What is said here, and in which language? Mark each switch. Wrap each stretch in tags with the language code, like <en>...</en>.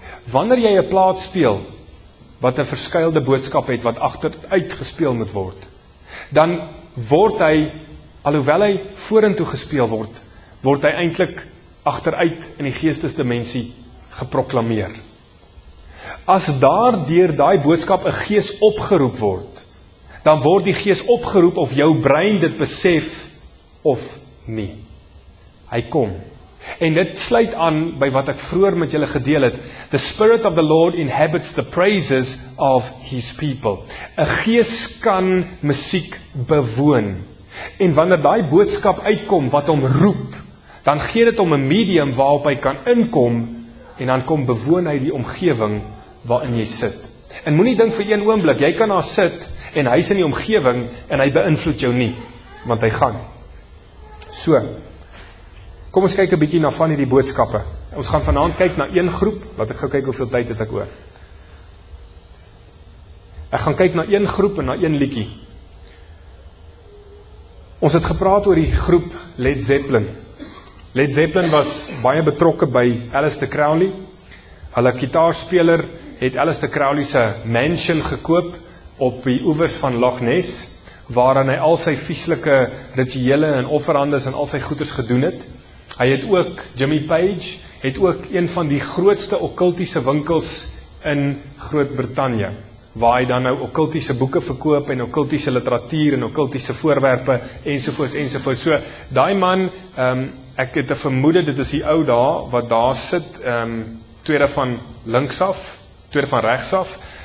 <af>Wanneer jy 'n plaat speel, wat 'n verskuilde boodskap het, wat achteruit gespeel moet word, dan word hy, alhoewel hy vorentoe gespeel word, word hy eintlik achteruit in die geestesdimensie geproklameer. As daar deur daai boodskap 'n gees opgeroep word, dan word die gees opgeroep of jou brein dit besef of nie. Hy kom. En dit sluit aan by wat ek vroeër met julle gedeel het.</af> <en>The Spirit of the Lord inhabits the praises of his people.</en> <af>'N gees kan musiek bewoon. En wanneer daai boodskap uitkom wat hom roep, dan gee dit hom 'n medium waarop hy kan inkom en dan kom bewoon hy die omgewing waarin jy sit. En moenie dink vir een oomblik, jy kan daar sit en hy is in die omgewing en hy beïnvloed jou nie, want hy gaan. So, kom ons kyk 'n bietjie na van hierdie boodskappe. Ons gaan vanavond kyk na een groep, laat ek gou kyk hoeveel tyd het ek oor. Ek gaan kyk na een groep en na een liedjie. Ons het gepraat oor die groep Led Zeppelin. Led Zeppelin was baie betrokke by Aleister Crowley. Hulle kitaarspeler het Aleister Crowley se mansion gekoop op die oevers van Loch Ness, waarin hy al sy vieslike rituele en offerandes en al sy goeders gedoen het. Hy het ook Jimmy Page het ook een van die grootste okkultiese winkels in Groot-Brittannië, waar hy dan nou okkultiese boeke verkoop en okkultiese literatuur en okkultiese voorwerpe ensovoorts ensovoorts. So daai man, ek het 'n vermoede dit is die ou daar wat daar sit, tweede van links af, tweede van regs af.</af>